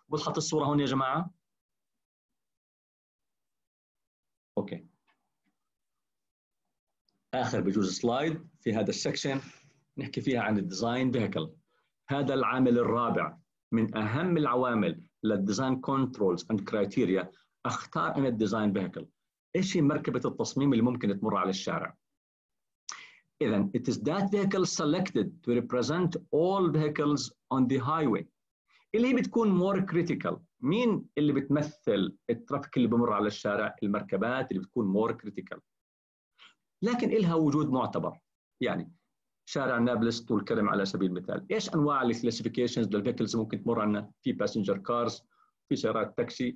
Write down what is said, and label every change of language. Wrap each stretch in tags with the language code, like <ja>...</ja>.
<ar>وضحت الصوره هون يا جماعه؟ اوكي، اخر بجوز سلايد في هذا السكشن نحكي فيها عن الديزاين فيهيكل. هذا العامل الرابع من اهم العوامل للديزاين كنترولز اند كرايتيريا، اختار انا الديزاين فيهيكل. ايش هي مركبه التصميم اللي ممكن تمر على الشارع؟ إذن</ar> <en>it is that vehicle selected to represent all vehicles on the highway.</en> <ar>اللي هي بتكون</ar> <en>more critical.</en> <ar>مين اللي بتمثل الترافيك اللي بمر على الشارع؟ المركبات اللي بتكون more critical. لكن إلها وجود معتبر. يعني شارع نابلس طول كرم على سبيل المثال. إيش أنواع الكلاسيفيكيشنز للvehicles ممكن تمر عنا؟ في passenger cars، في سيارات تاكسي.</ar>